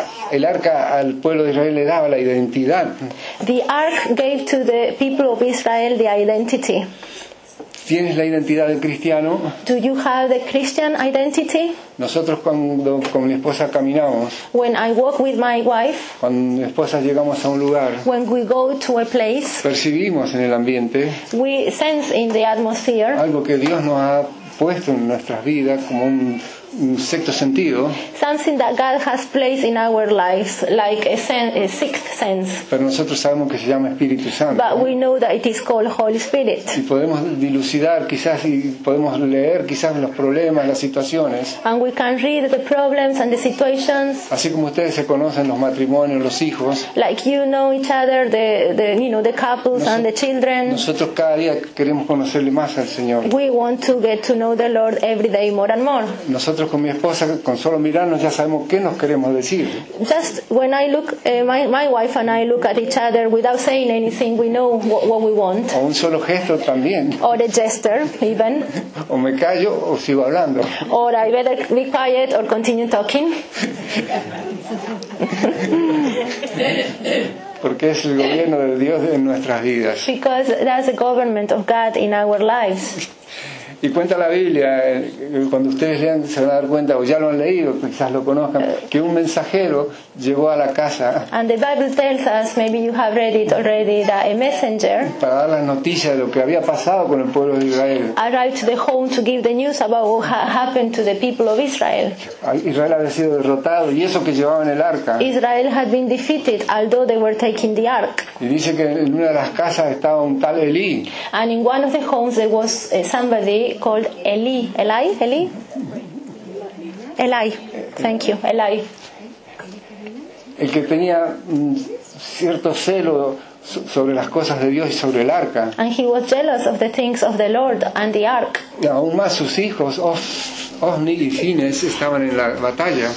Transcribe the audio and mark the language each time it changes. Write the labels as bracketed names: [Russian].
[Spanish] El arca al pueblo de Israel le daba la identidad. [English] The ark gave to the people of Israel the identity. [Spanish] ¿Tienes la identidad del cristiano? [English] Do you have the Christian identity? [Spanish] Nosotros cuando con mi esposa caminamos, [English] when I walk with my wife, [Spanish] cuando mi esposa llegamos a un lugar, [English] when we go to a place, [Spanish] percibimos en el ambiente, [English] we sense in the atmosphere, [Spanish] algo que Dios nos ha puesto en nuestras vidas como un sexto sentido, [English] something that God has placed in our lives like a sixth sense, [Spanish] pero nosotros sabemos que se llama Espíritu Santo, [English] but we know that it is called Holy Spirit, [Spanish] y podemos dilucidar quizás y podemos leer quizás los problemas, las situaciones, [English] and we can read the problems and the situations, [Spanish] así como ustedes se conocen los matrimonios, los hijos, [English] like you know each other, the you know the couples, and the children, [Spanish] nosotros cada día queremos conocerle más al Señor, [English] we want to get to know the Lord every day more and more. [Spanish] Nosotros con mi esposa, con solo mirarnos ya sabemos qué nos queremos decir. [English] Just when I look, my wife and I look at each other without saying anything, we know what we want. [Spanish] O un solo gesto también. [English] Or a gesture, even. [Spanish] O me callo o sigo hablando. [English] Or I better be quiet or continue talking. [Spanish] Porque es el gobierno de Dios en nuestras vidas. [English] Because that's the government of God in our lives. [Spanish] Y cuenta la Biblia, cuando ustedes lean se van a dar cuenta, o ya lo han leído, quizás lo conozcan, que un mensajero llegó a la casa. [English] And the Bible tells us, maybe you have read it already, that a messenger. [Spanish] Para dar las noticias de lo que había pasado con el pueblo de Israel. [English] Arrived to the home to give the news about what happened to the people of Israel. [Spanish] Israel había sido derrotado y eso que llevaban el arca. [English] Israel had been defeated, although they were taking the ark. [Spanish] Y dice que en una de las casas estaba un tal Elí. [English] And in one of the homes there was somebody called Eli. Eli? Eli? Eli. Thank you. Eli. [Spanish] El que tenía cierto celo sobre las cosas de Dios y sobre el arca. [English] And he was jealous of the things of the Lord and the ark. [Spanish] Y aún más sus hijos, Ofni y Fines, estaban en la batalla.